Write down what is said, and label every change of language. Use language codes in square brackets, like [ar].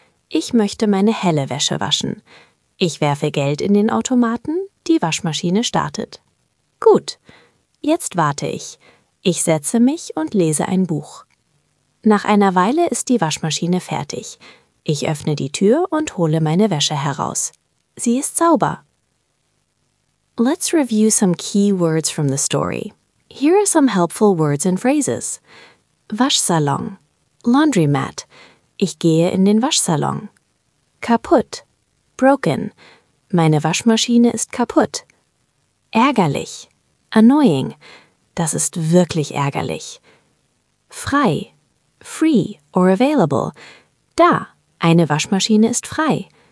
[de] Ich möchte meine helle Wäsche waschen. Ich werfe Geld in den Automaten, die Waschmaschine startet. Gut, jetzt warte ich. Ich setze mich und lese ein Buch. Nach einer Weile ist die Waschmaschine fertig. Ich öffne die Tür und hole meine Wäsche heraus. Sie ist sauber. [en] Let's review some key words from the story. Here are some helpful words and phrases. [de] Waschsalon. [en] Laundromat. [de] Ich gehe in den Waschsalon. Kaputt. [en] Broken. [de] Meine Waschmaschine ist kaputt. Ärgerlich. [en] Annoying. [de] Das ist wirklich ärgerlich. Frei. [en] Free or available. [de] Da, eine Waschmaschine ist frei.